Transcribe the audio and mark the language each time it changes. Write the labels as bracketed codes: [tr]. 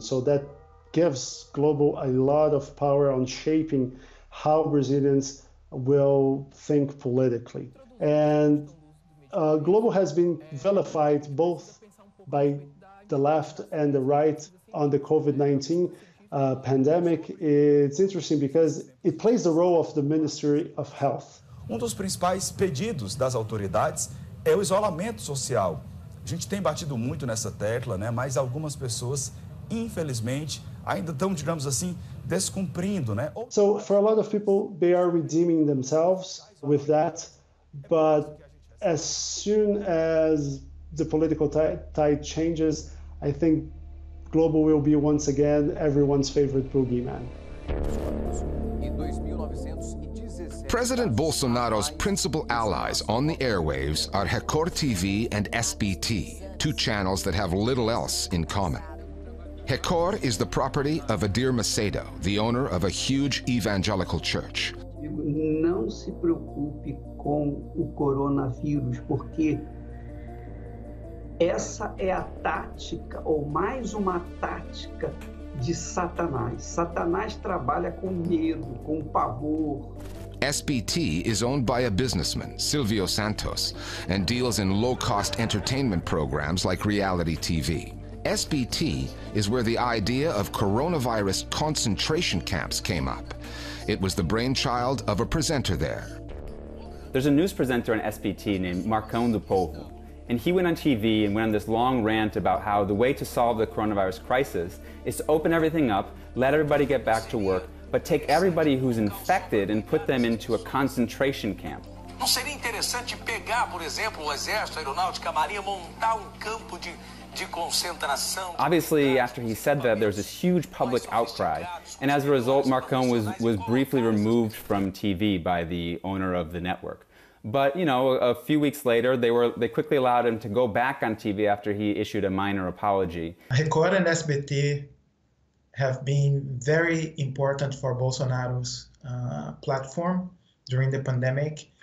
[en] So that gives Globo a lot of power on shaping how Brazilians will think politically. And Globo has been vilified both by the left and the right on the COVID-19. Pandemic, it's interesting because it plays the role of the Ministry of Health. [pt] Um dos principais pedidos das autoridades é o isolamento social. A gente tem batido muito nessa tecla, né? Mas algumas pessoas, infelizmente, ainda estão, digamos assim, descumprindo, né? [en] So, for a lot of people, they are redeeming themselves with that, but as soon as the political tide changes, I think Globo will be once again everyone's favorite boogeyman. President Bolsonaro's principal allies on the airwaves are Record TV and SBT, two channels that have little else in common. Record is the property of Adir Macedo, the owner of a huge evangelical church. [pt] Não se preocupe com o coronavírus, porque essa é a tática, ou mais uma tática, de Satanás. Satanás trabalha com medo, com pavor. [en] SBT is owned by a businessman, Silvio Santos, and deals in low-cost entertainment programs like reality TV. SBT is where the idea of coronavirus concentration camps came up. It was the brainchild of a presenter there. There's a news presenter on SBT named Marcão do Povo. And he went on TV and went on this long rant about how the way to solve the coronavirus crisis is to open everything up, let everybody get back to work, but take everybody who's infected and put them into a concentration camp. [pt] Não seria interessante pegar, por exemplo, o exército, a aeronáutica, a marinha, montar campo de concentração? [en] Obviously, after he said that, there was this huge public outcry. And as a result, Marcão was briefly removed from TV by the owner of the network. But, you know, a few weeks later, they quickly allowed him to go back on TV after he issued a minor apology. Record and SBT have been very important for Bolsonaro's platform during the pandemic.